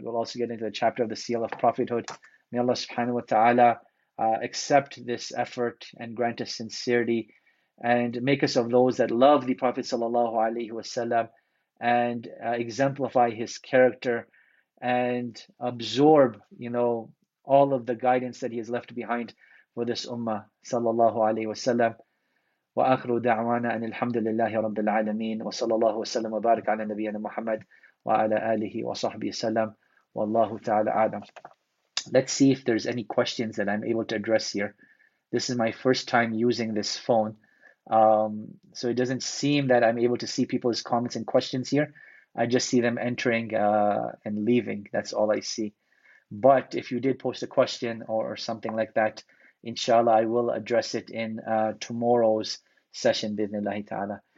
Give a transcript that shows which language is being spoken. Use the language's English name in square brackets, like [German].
[English] We'll also get into the chapter of the seal of prophethood. May Allah subhanahu wa ta'ala accept this effort and grant us sincerity and make us of those that love the Prophet sallallahu alaihi wasallam and exemplify his character and absorb, you know, all of the guidance that he has left behind for this ummah sallallahu alaihi wasallam. [Arabic] وآخر دعوانا أن الحمد لله رب العالمين وصلى الله وسلم وبارك على نبينا محمد وعلى آله وصحبه وسلم والله تعالى أعلم. [English] Let's see if there's any questions that I'm able to address here. This is my first time using this phone, so it doesn't seem that I'm able to see people's comments and questions here. I just see them entering and leaving. That's all I see. But if you did post a question or something like that, inshallah, I will address it in tomorrow's session, bi'idhnillahi ta'ala.